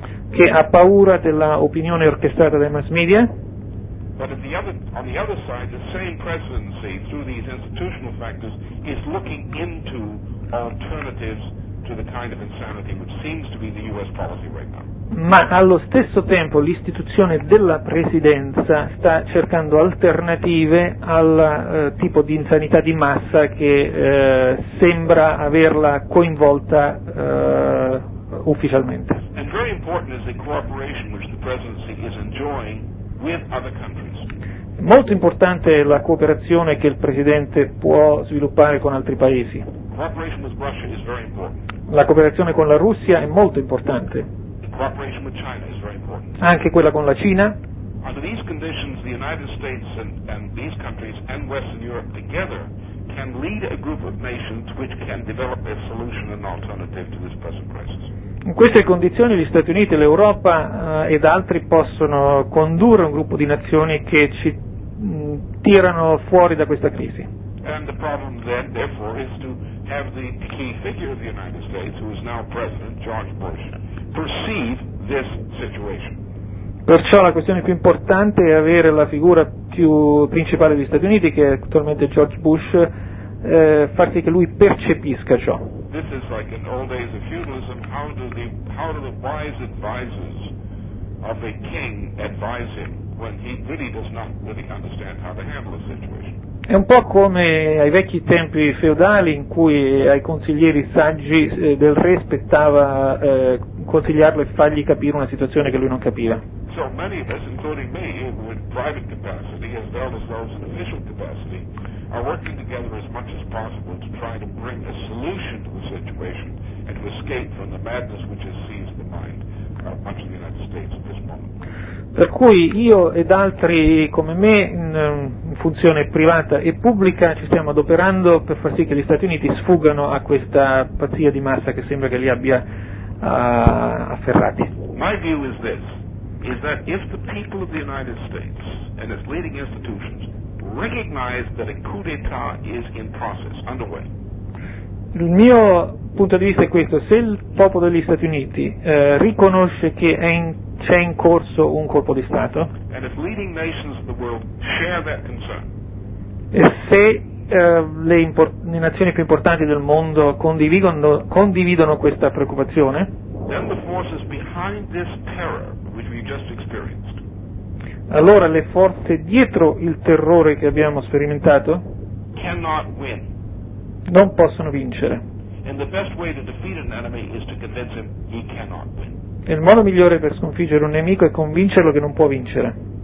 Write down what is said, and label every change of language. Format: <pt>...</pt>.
<it>che ha paura della opinione orchestrata dai mass media, ma allo stesso tempo l'istituzione della presidenza sta cercando alternative al tipo di insanità di massa che sembra averla coinvolta ufficialmente.</it> <en>And very important is the cooperation which the presidency is enjoying with other countries.</en> <it>Molto importante è la cooperazione che il presidente può sviluppare con altri paesi.</it> <en>Cooperation with Russia is very important.</en> <it>La cooperazione con la Russia è molto importante.</it> <en>The cooperation with China is very important.</en> <it>Anche quella con la Cina.</it> <en>Under these conditions, the United States and these countries and Western Europe together can lead a group of nations which can develop a solution and alternative to this present crisis.</en> <it>In queste condizioni gli Stati Uniti, l'Europa ed altri possono condurre un gruppo di nazioni che ci tirano fuori da questa crisi.</it> <en>And the problem then, therefore, is to have the key figure of the United States, who is now President George Bush, perceive this situation.</en> <it>Perciò la questione più importante è avere la figura più principale degli Stati Uniti, che è attualmente George Bush, far sì che lui percepisca ciò.</it> <en>This is like in old days of feudalism, how do the wise advisors of a king advise him when he really does not really understand how to handle the situation.</en> <it>È un po' come ai vecchi tempi feudali in cui ai consiglieri saggi del re spettava consigliarlo e fargli capire una situazione che lui non capiva.</it> <en>So many of us, including me, in private capacity as well as those in official capacity, are working together as much as possible to try to bring a solution to the situation and to escape from the madness which has seized the mind of much of the United States at this moment.</en> <it>Per cui io ed altri come me, in funzione privata e pubblica, ci stiamo adoperando per far sì che gli Stati Uniti sfuggano a questa pazzia di massa che sembra che li abbia afferrati.</it> <en>My view is this, is that if the people of the United States and its leading institutions recognize that a coup d'etat is in process, underway.</en> <it>Il mio punto di vista è questo, se il popolo degli Stati Uniti riconosce che è in c'è in corso un colpo di Stato,</it> <en>and if leading nations of the world share that concern,</en> <it>e se le nazioni più importanti del mondo condividono questa preoccupazione,</it> <en>then the forces behind this terror which we just experienced,</en> <it>allora le forze dietro il terrore che abbiamo sperimentato</it> <en>cannot win.</en> <it>Non possono vincere.</it> <en>And the best way to defeat an enemy is to convince him he cannot win.</en> <it>Il modo migliore per sconfiggere un nemico è convincerlo che non può vincere.</it>